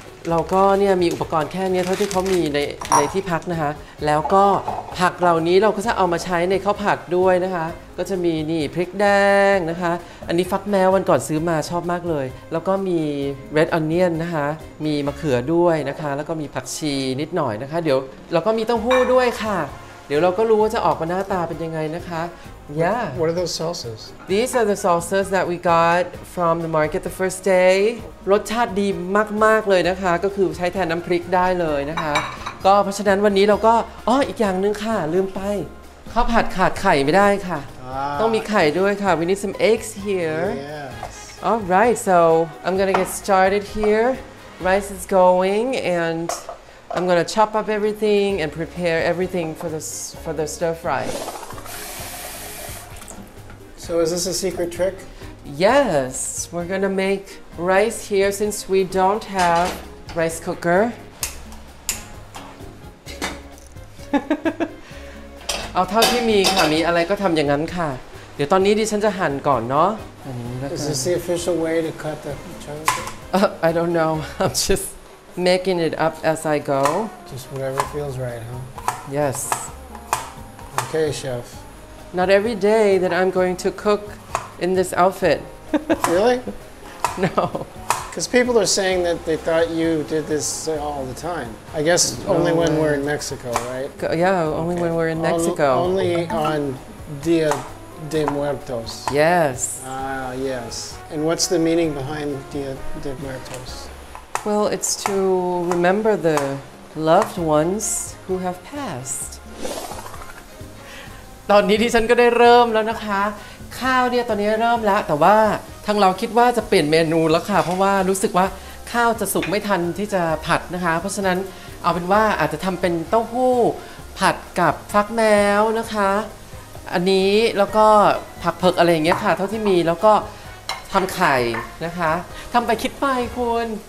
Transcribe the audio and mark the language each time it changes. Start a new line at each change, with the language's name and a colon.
Thai: เราก็เนี่ยมีอุปกรณ์แค่นี้เท่าที่เขามีในที่พักนะคะแล้วก็ผักเหล่านี้เราก็จะเอามาใช้ในข้าวผัดด้วยนะคะก็จะมีนี่พริกแดงนะคะอันนี้ฟักแมววันก่อนซื้อมาชอบมากเลยแล้วก็มี red onion นะคะมีมะเขือด้วยนะคะแล้วก็มีผักชีนิดหน่อยนะคะเดี๋ยวเราก็มีเต้าหู้ด้วยค่ะเดี๋ยวเราก็รู้ว่าจะออกมาหน้าตาเป็นยังไงนะคะ
English: Yeah. What are those sauces? These are the sauces that we got from the market the first day.
Thai: รสชาติดีมากๆเลยนะคะก็คือใช้แทนน้ำพริกได้เลยนะคะก็เพราะฉะนั้นวันนี้เราก็อ้ออีกอย่างนึงค่ะลืมไปข้าวผัดขาดไข่ไม่ได้ค่ะ ต้องมีไข่ด้วยค่ะ
English: We need some eggs here. Yes. All right. So I'm gonna get started here. Rice is going and. I'm gonna chop up everything and prepare everything for the stir fry. So is this a secret trick? Yes, we're gonna make rice here since we don't have rice cooker.
Thai: เอาเท่าที่มีค่ะมีอะไรก็ทำอย่างนั้นค่ะเดี๋ยวตอนนี้ดิฉันจะหั่นก่อนเนาะ
English: Is this the official way to cut the chunks? I don't know. I'm just. Making it up as I go. Just whatever feels right, huh? Yes. Okay, chef. Not every day that I'm going to cook in this outfit. Really? No. Because people are saying that they thought you did this all the time. I guess only when we're in Mexico, right? Yeah, only okay. when we're in Mexico. Only on Dia de Muertos. Yes. Yes. And what's the meaning behind Dia de Muertos? Well, it's to remember the loved ones who have passed.
Thai: ตอนนี้ที่ฉันก็ได้เริ่มแล้วนะคะข้าวเนี่ยตอนนี้เริ่มแล้วแต่ว่าทางเราคิดว่าจะเปลี่ยนเมนูแล้วค่ะเพราะว่ารู้สึกว่าข้าวจะสุกไม่ทันที่จะผัดนะคะเพราะฉะนั้นเอาเป็นว่าอาจจะทำเป็นเต้าหู้ผัดกับฟักแมวนะคะอันนี้แล้วก็ผักเผือกอะไรอย่างเงี้ยค่ะเท่าที่มีแล้วก็ทำไข่นะคะทำไปคิดไปคุณ